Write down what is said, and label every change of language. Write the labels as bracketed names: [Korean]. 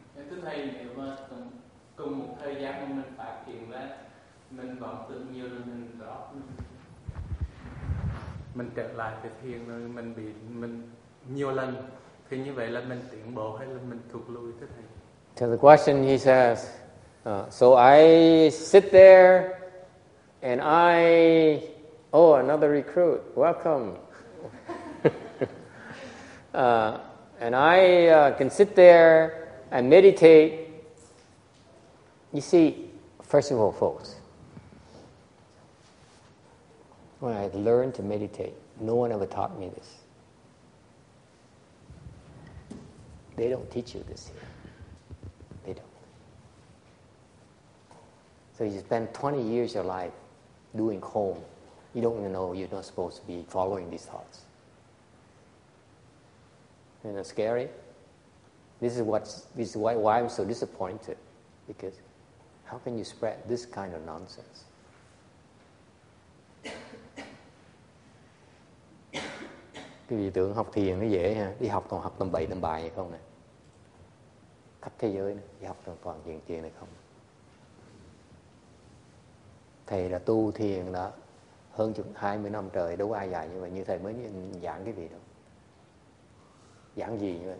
[Vietnamese] Thưa thầy, nếu mà cùng một thời gian mà mình phát triển là mình vọng tưởng nhiều rồi mình rõ mình trở lại cái thiền rồi mình bị mình nhiều lần thì Thì như vậy là mình tiến bộ hay là mình thụt lùi thế thầy? [English] So the question he says, so I sit there and I, oh, another recruit, welcome. And I can sit there and meditate. You see, first of all, folks, when I learned to meditate, no one ever taught me this. They don't teach you this here. They don't. So you spend 20 years of your life doing home. You don't even know you're not supposed to be following these thoughts. Isn't that scary? This is why I'm so disappointed. Because how can you spread this kind of nonsense? [Vietnamese] Cái gì tưởng học thiền nó dễ ha, đi học toàn học tầm bậy tầm bài hay không nè. Khắp thế giới này, đi học toàn thiền thiền này không. Thầy là tu thiền đó hơn chừng 20 năm trời, đâu ai dạy như vậy, như thầy mới giảng cái gì đâu. Giảng gì như vậy?